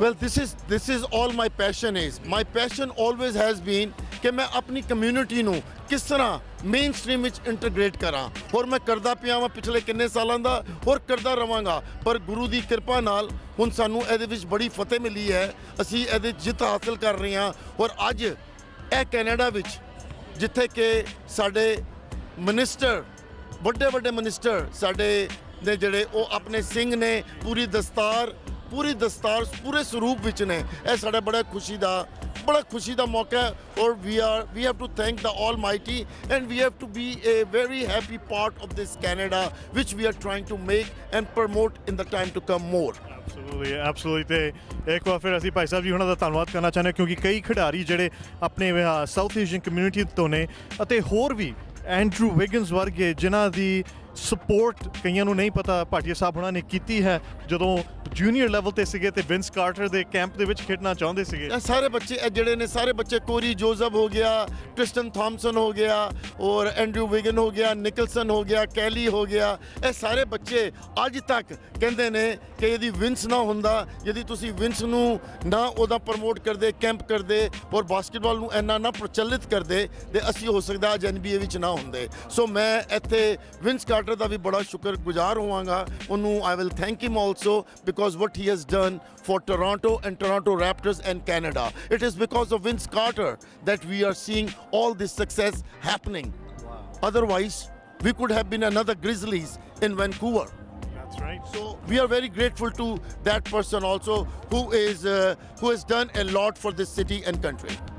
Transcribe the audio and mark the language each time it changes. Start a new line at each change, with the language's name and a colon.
English: well this is all my passion is my passion always has been
Punjabi: ਕਿ ਮੈਂ ਆਪਣੀ community ਨੂੰ ਕਿਸ ਤਰ੍ਹਾਂ ਮੇਨ ਸਟ੍ਰੀਮ ਵਿੱਚ ਇੰਟਰਗ੍ਰੇਟ ਕਰਾਂ ਹੋਰ ਮੈਂ ਕਰਦਾ ਪਿਆ ਵਾਂ ਪਿਛਲੇ ਕਿੰਨੇ ਸਾਲਾਂ ਦਾ ਹੋਰ ਕਰਦਾ ਰਵਾਂਗਾ ਪਰ ਗੁਰੂ ਦੀ ਕਿਰਪਾ ਨਾਲ ਹੁਣ ਸਾਨੂੰ ਇਹਦੇ ਵਿੱਚ ਬੜੀ ਫਤਿਹ ਮਿਲੀ ਹੈ ਅਸੀਂ ਇਹਦੇ ਜਿੱਤ ਹਾਸਲ ਕਰ ਰਹੇ ਹਾਂ ਔਰ ਅੱਜ ਇਹ ਕੈਨੇਡਾ ਵਿੱਚ ਜਿੱਥੇ ਕਿ ਸਾਡੇ ਮਿਨਿਸਟਰ ਵੱਡੇ ਵੱਡੇ ਮਿਨਿਸਟਰ ਸਾਡੇ ਦੇ ਜਿਹੜੇ ਉਹ ਆਪਣੇ ਸਿੰਘ ਨੇ ਪੂਰੀ ਦਸਤਾਰ ਪੂਰੀ ਦਸਤਾਰ ਪੂਰੇ ਸਰੂਪ ਵਿੱਚ ਨੇ ਇਹ ਸਾਡੇ ਬੜਾ ਖੁਸ਼ੀ ਦਾ bada khushi da mauka hai aur
English: we have to thank the almighty and we have to be a very happy part of this Canada which we are trying to make and promote in the time to come more. Absolutely.
Punjabi: ਇੱਕ ਵਾਰ ਫਿਰ ਅਸੀਂ ਭਾਈ ਸਾਹਿਬ ਜੀ ਉਹਨਾਂ ਦਾ ਧੰਨਵਾਦ ਕਰਨਾ ਚਾਹੁੰਦੇ ਕਿਉਂਕਿ ਕਈ ਖਿਡਾਰੀ ਜਿਹੜੇ ਆਪਣੇ ਸਾਊਥ ਏਸ਼ੀਅਨ ਕਮਿਊਨਿਟੀ ਤੋਂ ਨੇ ਅਤੇ ਹੋਰ ਵੀ ਐਂਡਰੂ ਵਿਗਨਸ ਵਰਗੇ ਜਿਨ੍ਹਾਂ ਦੀ ਸਪੋਰਟ ਕਈਆਂ ਨੂੰ ਨਹੀਂ ਪਤਾ ਭਾਟੀਆ ਸਾਹਿਬ ਉਹਨਾਂ ਨੇ ਕੀਤੀ ਹੈ ਜਦੋਂ ਜੂਨੀਅਰ ਲੈਵਲ 'ਤੇ ਸੀਗੇ ਅਤੇ ਵਿੰਸ ਕਾਰਟਰ ਦੇ ਕੈਂਪ ਦੇ ਵਿੱਚ ਖੇਡਣਾ ਚਾਹੁੰਦੇ ਸੀਗੇ ਸਾਰੇ ਬੱਚੇ ਜਿਹੜੇ ਨੇ ਸਾਰੇ ਬੱਚੇ ਕੋਰੀ ਜੋਜ਼ਬ ਹੋ ਗਿਆ ਟ੍ਰਿਸਟਨ ਥੋਮਸਨ ਹੋ ਗਿਆ ਔਰ ਐਂਡਰੂ ਵਿਗਨ ਹੋ ਗਿਆ ਨਿਕਲਸਨ ਹੋ ਗਿਆ ਕੈਲੀ ਹੋ ਗਿਆ ਇਹ ਸਾਰੇ ਬੱਚੇ ਅੱਜ ਤੱਕ ਕਹਿੰਦੇ ਨੇ ਕਿ ਯਦੀ ਵਿੰਸ ਨਾ ਹੁੰਦਾ ਯਦੀ ਤੁਸੀਂ ਵਿੰਸ ਨੂੰ ਨਾ ਉਹਦਾ ਪ੍ਰਮੋਟ ਕਰਦੇ ਕੈਂਪ ਕਰਦੇ ਔਰ ਬਾਸਕਿਟਬਾਲ ਨੂੰ ਇੰਨਾ ਨਾ ਪ੍ਰਚਲਿਤ ਕਰਦੇ ਤਾਂ ਅਸੀਂ ਹੋ ਸਕਦਾ ਅੱਜ NBA ਵਿੱਚ ਨਾ ਹੁੰਦੇ ਸੋ ਮੈਂ ਇੱਥੇ ਵਿੰਸ ਕਾਰਟਰ ਦਾ ਵੀ ਬੜਾ ਸ਼ੁਕਰ ਗੁਜ਼ਾਰ ਹੋਵਾਂਗਾ ਉਹਨੂੰ
English: I will thank him also because what he has done for Toronto and Toronto Raptors and Canada it is because of Vince Carter that we are seeing all this success happening otherwise we could have been another Grizzlies in Vancouver Right. So we are very grateful to that person also who has done a lot for this city and country.